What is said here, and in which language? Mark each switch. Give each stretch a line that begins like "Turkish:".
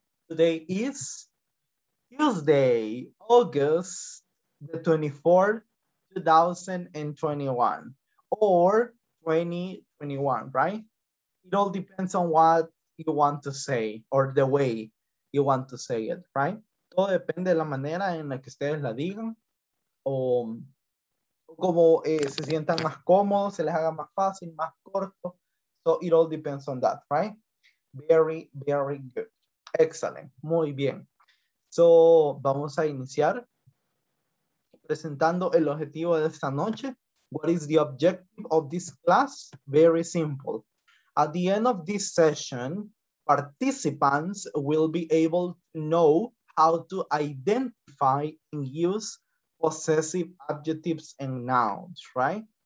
English: Today is Tuesday, August the 24th, 2021, or 2021, right? It all depends on what you want to say or the way you want to say it, right?
Spanish: Todo depende de la manera en la que ustedes la digan. O como se sientan más cómodos, se les haga más fácil, más corto.
English: So it all depends on that, right? Very, very good. Excellent.
Spanish: Muy bien. So vamos a iniciar presentando el objetivo de esta noche.
English: What is the objective of this class? Very simple. At the end of this session, participants will be able to know how to identify and use possessive adjectives and nouns, right?